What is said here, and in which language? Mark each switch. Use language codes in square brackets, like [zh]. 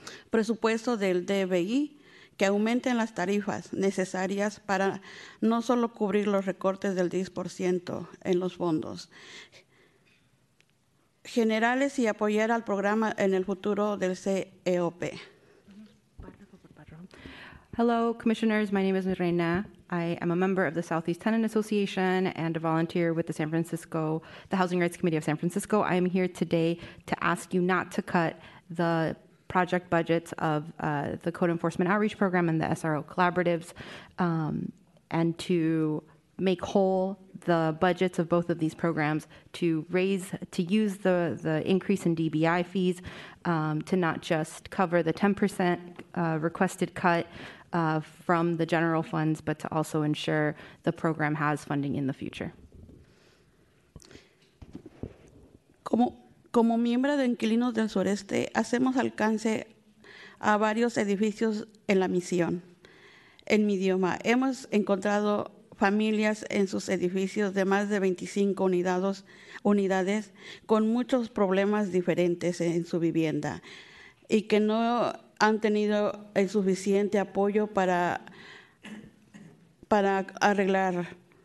[es] Presupuesto del DBI, que aumenten las tarifas necesarias para no solo cubrir los recortes del 10% en los fondos generales y apoyar al programa en el futuro del CEOP. [en] Hello, commissioners. My name is Reina. I am a member of the Southeast Tenant Association and a volunteer with the San Francisco, the Housing Rights Committee of San Francisco. I am here today to ask you not to cut the project budgets of the Code Enforcement Outreach Program and the SRO collaboratives, and to make whole the budgets of both of these programs, to raise, to use the increase in DBI fees to not just cover the 10% requested cut from the general funds, but to also ensure the program has funding in the future. [es] Como miembro de Inquilinos del Sureste, hacemos alcance a varios edificios en la misión, en mi idioma. Hemos encontrado familias en sus edificios de más de 25 unidades con muchos problemas diferentes en su vivienda y que no han tenido el suficiente apoyo para arreglar.